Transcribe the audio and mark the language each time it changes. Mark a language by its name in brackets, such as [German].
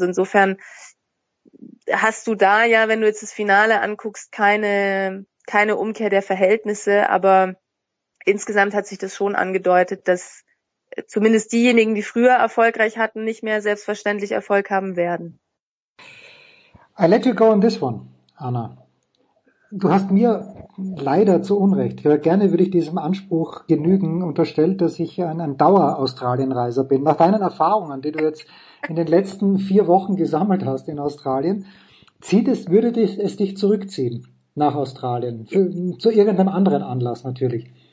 [German] Also insofern hast du da ja, wenn du jetzt das Finale anguckst, keine Umkehr der Verhältnisse, aber insgesamt hat sich das schon angedeutet, dass zumindest diejenigen, die früher erfolgreich hatten, nicht mehr selbstverständlich Erfolg haben werden. [English] I let you go on this one, Anna. [German] Du hast mir leider zu Unrecht, gerne würde ich diesem Anspruch genügen, unterstellt, dass ich ein Dauer-Australien-Reiser bin. Nach deinen Erfahrungen, die du jetzt in den letzten 4 Wochen gesammelt hast in Australien, würde es dich zurückziehen nach Australien, zu irgendeinem anderen Anlass natürlich.